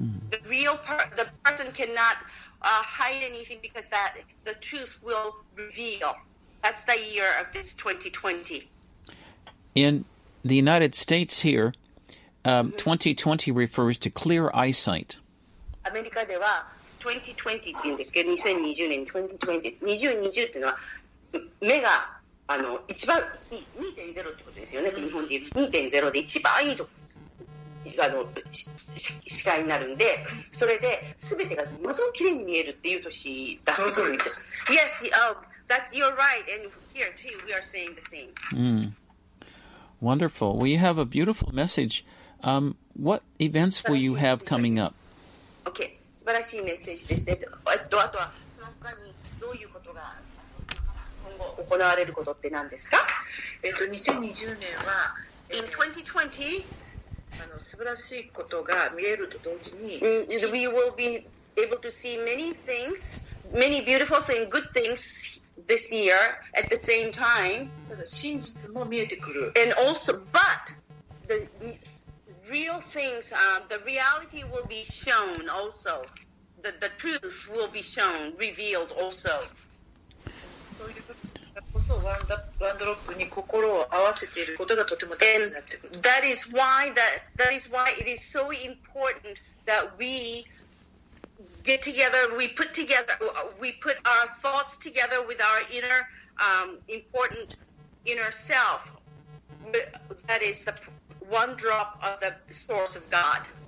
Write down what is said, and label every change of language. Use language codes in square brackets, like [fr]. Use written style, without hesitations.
[en] The person cannot hide anything because that the truth will reveal. That's the year of this 2020. In the United States here, 2020 refers to clear eyesight. [ja] アメリカでは2020って言うんですけど、2020ってのは目が一番いい 2.0 ってことですよね。日本で言う 2.0 で一番いいとあの視界になるんで、それで全てがものすごく綺麗に見えるっていう年だったと思うんです。 [en] Yes, that's, you're right, and here too we are saying the same. Wonderful. Well, you have a beautiful message. What events will you have coming up? Okay. [ja] 素晴らしいメッセージですね。あとはその他にどういうことが今後行われることって何ですか？ 2020年は、 [en] In 2020, [ja] 素晴らしいことが見えると同時に、 [en] We will be able to see many things, many beautiful things, good things. This year, at the same time, [ja] 真実も見えてくる。 [en] And also, but the real things, the reality will be shown also. The truth will be shown, revealed also. [ja] そういうことこそワンドロップに心を合わせていることがとても大事になってくる。 [en] And that is why that is why it is so important that we. Get together, we put our thoughts together with our inner, important inner self. That is the one drop of the source of God.